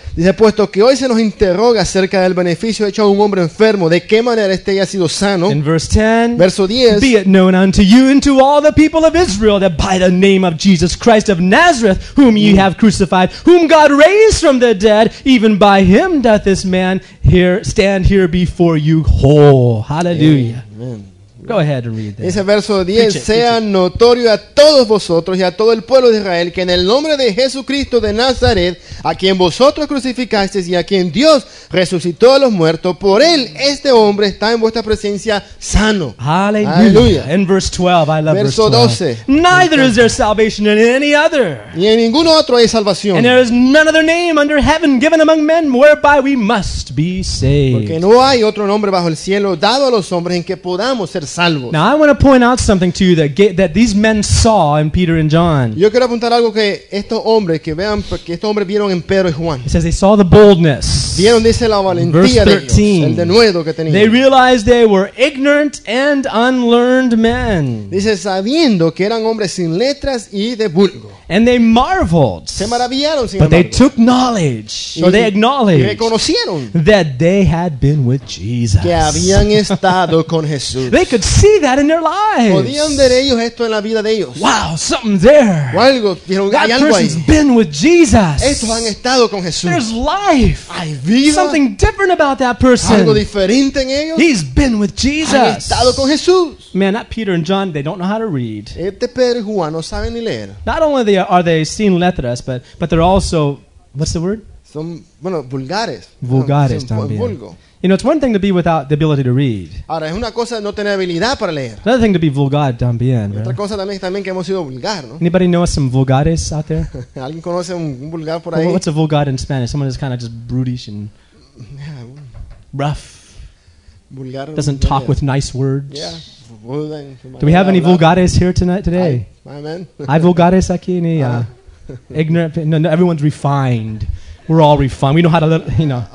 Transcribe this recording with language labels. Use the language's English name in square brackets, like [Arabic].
[Spanish] Dice, puesto que hoy se nos interroga acerca del beneficio hecho a un hombre enfermo, de qué manera este haya sido sano. [English] In verse 10. [Spanish] Verso 10. [English] Be it known unto you and to all the people of Israel that by the name of Jesus Christ of Nazareth, whom ye have crucified, whom God raised from the dead, even by him doth this man here stand here before you whole. Hallelujah. Amen. Go ahead and read that. [Spanish] Ese verso 10, sea notorio a todos vosotros y a todo el pueblo de Israel que en el nombre de Jesucristo de Nazaret, a quien vosotros crucificasteis y a quien Dios resucitó de los muertos, por él este hombre está en vuestra presencia sano. [English] Aleluya. In verse 12, I love [Spanish] verso [English] verse 12. 12. Neither is there salvation in any other. [Spanish] Ni en ningún otro hay salvación. [English] And there is none other name under heaven given among men whereby we must be saved. [Spanish] Porque no hay otro nombre bajo el cielo dado a los hombres en que podamos ser salvos. [English] Now I want to point out something to you that these men saw in Peter and John. [Spanish] Yo quiero apuntar algo que estos hombres que vean porque estos hombres vieron en Pedro y Juan. [English] It says they saw the boldness. [Spanish] Vieron, dice, la valentía [English] verse 13, [Spanish] de ellos, el denuedo que tenían. [English] They realized they were ignorant and unlearned men. [Spanish] Dice, sabiendo que eran hombres sin letras y de vulgo. [English] And they marveled. [Spanish] Se maravillaron, sin [English] but [Spanish] embargo. [English] They took knowledge, or they acknowledged, [Spanish] reconocieron [English] that they had been with Jesus. [Spanish] Que habían estado con Jesús. [English] They could see that in their lives. [Spanish] Podían ver ellos esto en la vida de ellos. [English] Wow, something there. [Spanish] O algo, vieron, [English] that [Spanish] hay algo [English] person's [Spanish] ahí. [English] Been with Jesus. [Spanish] Estos han estado con Jesús. [English] There's life. [Spanish] Hay vida. [English] Something different about that person. [Spanish] Algo diferente en ellos. [English] He's been with Jesus. [Spanish] Han estado con Jesús. [English] Man, that Peter and John, they don't know how to read. [Spanish] Este Pedro y Juan no saben ni leer. [English] Not only are they [Spanish] sin letras, [English] but they're also, what's the word? [Spanish] Son, bueno, vulgares. Vulgares también. Vulgo. [English] You know, it's one thing to be without the ability to read. [Spanish] Ahora, es una cosa no tener habilidad para leer. [English] Another thing to be vulgar [Spanish] también. Otra cosa también que hemos sido vulgar, ¿no? [English] Anybody know some vulgares out there? [Spanish] ¿Alguien conoce un vulgar por ahí? [English] What's a vulgar in Spanish? Someone that's kind of just brutish and rough. Vulgar. Doesn't talk with nice words. Yeah. Do we have any vulgares here tonight today? Amen. [Spanish] Hay vulgares aquí ni [English] ignorant. No, everyone's refined. We're all refined. We know how to, you know.